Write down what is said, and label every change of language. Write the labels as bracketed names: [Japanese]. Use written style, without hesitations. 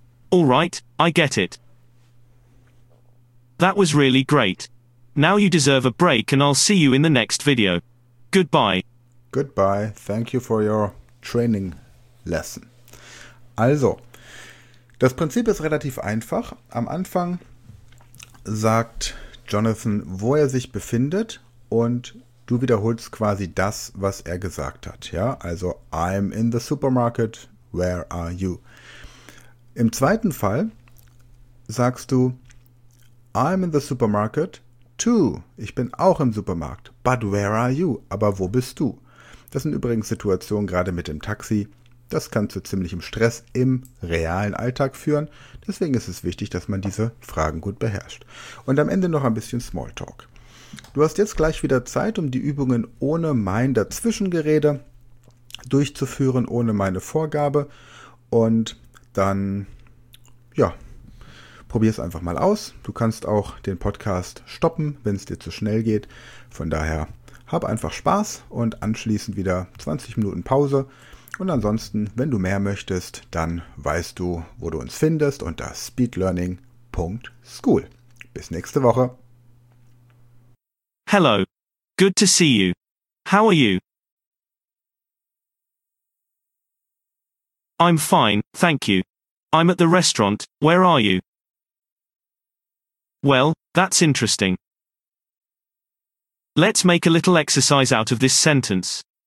[English] All right, I get it. That was really great. Now you deserve a break and I'll see you in the next video. Goodbye. Goodbye. Thank you for your training lesson. [German] Also, das Prinzip ist relativ einfach. Am Anfang sagt Jonathan, wo er sich befindet und du wiederholst quasi das, was er gesagt hat. Ja, also, [English] I'm in the supermarket, where are you? [German] Im zweiten Fall sagst du, [English] I'm in the supermarket too. [German] Ich bin auch im Supermarkt, [English] but where are you? [German] Aber wo bist du? Das sind übrigens Situationen, gerade mit dem Taxi. Das kann zu ziemlichem Stress im realen Alltag führen. Deswegen ist es wichtig, dass man diese Fragen gut beherrscht. Und am Ende noch ein bisschen Smalltalk. Du hast jetzt gleich wieder Zeit, um die Übungen ohne mein Dazwischengerede durchzuführen, ohne meine Vorgabe. Und dann, ja, probier es einfach mal aus. Du kannst auch den Podcast stoppen, wenn es dir zu schnell geht. Von daher, hab einfach Spaß und anschließend wieder 20 Minuten Pause. Und ansonsten, wenn du mehr möchtest, dann weißt du, wo du uns findest unter speedlearning.school. Bis nächste Woche. [English] Hello. Good to see you. How are you? I'm fine, thank you. I'm at the restaurant, where are you? Well, that's interesting. Let's make a little exercise out of this sentence.